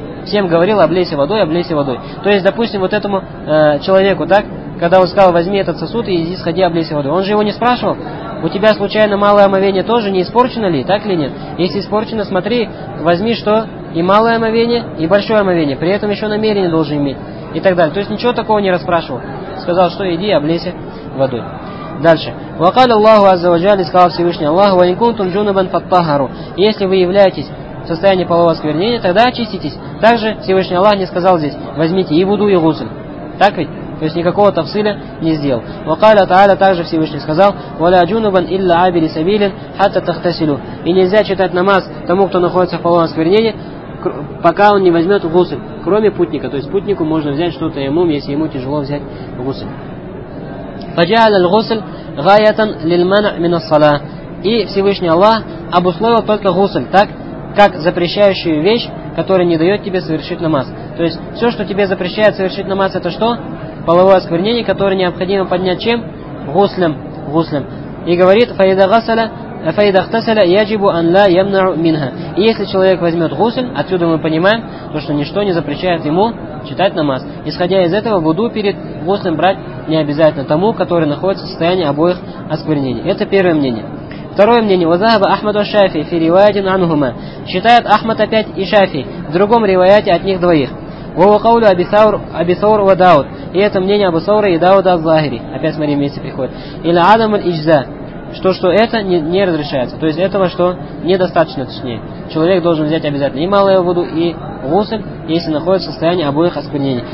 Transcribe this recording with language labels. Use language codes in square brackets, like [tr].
[ru] Всем говорил, облейся водой, облейся водой. То есть, допустим, вот этому человеку, так, когда он сказал, возьми этот сосуд и иди сходи, облейся водой. Он же его не спрашивал, у тебя случайно малое омовение тоже не испорчено ли, так или нет? Если испорчено, смотри, возьми что? И малое омовение, и большое омовение. При этом еще намерение должен иметь и так далее. То есть, ничего такого не расспрашивал. Сказал, что иди, облейся водой. Дальше. [ar] وقال الله عز وجل [ru] сказал Всевышний Аллах [ar] وإن كنتم جنبا فطهروا. [ru] Если вы являетесь в состоянии полового осквернения, тогда очиститесь. Также Всевышний Аллах не сказал здесь, возьмите и вуду, и гусль. Так ведь? То есть никакого тафсиля не сделал. [ar] وقال تعالى [ru] также Всевышний сказал [ar] ولا جنبا إلا عابر سبيل حتى تغتسلوا. [ru] И нельзя читать намаз тому, кто находится в половом осквернении, пока он не возьмет гусль, кроме путника. То есть путнику можно взять что-то ему, если ему тяжело взять гусль. [ar] فجعل الغسل غاية للمنع من الصلاة. [ru] И Всевышний Аллах обусловил только гусль, так как запрещающую вещь, которая не дает тебе совершить намаз. То есть все, что тебе запрещает совершить намаз, это что? Половое осквернение, которое необходимо поднять чем? Гуслем. Гуслем. И говорит, [ar] فإذا اغتسل يجب أن لا يمنع منها. [ru] И если человек возьмет гусль, отсюда мы понимаем, то что ничто не запрещает ему читать намаз. Исходя из этого, вуду перед гуслем брать не обязательно тому, который находится в состоянии обоих осквернений. Это первое мнение. Второе мнение. [ar] وذهب أحمد والشافعي في رواية عنهما. [ru] Считает Ахмад опять и Шафи в другом ревояте от них двоих. [ar] وهو قول أبي ثور وداود. [ru] И это мнение Абу Саура и Дауда аз-Захри. Опять смотри, вместе приходит. Или Адам аль-Иджза. Что это не разрешается. То есть этого что? Недостаточно, точнее. Человек должен взять обязательно и малую воду, и гусль, если находится в состоянии обоих осквернений.